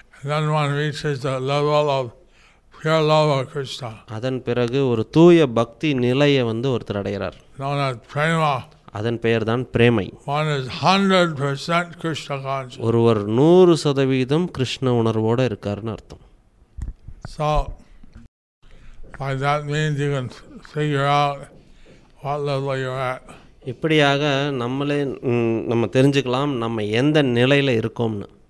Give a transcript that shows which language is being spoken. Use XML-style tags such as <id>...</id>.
<en>Then one reaches the level of pure love of Krishna.</en> <ta>அதன் பிறகு ஒரு தூய பக்தி நிலையை வந்து ஒருத்தர் அடைகிறார்.</ta> <en>Known as prema.</en> <ta>அதன் பெயர் தான் பிரேமை.</ta> <en>One is 100% Krishna consciousness.</en> <ta>ஒருவர் 100% கிருஷ்ண உணர்வோடு இருக்கார்னு அர்த்தம்.</ta> <en>So, by that means you can figure out what level you're at.</en> <ta>இப்படியாக நம்மளே நம்ம தெரிஞ்சுக்கலாம் நம்ம எந்த நிலையில் இருக்கோம்னு.</ta>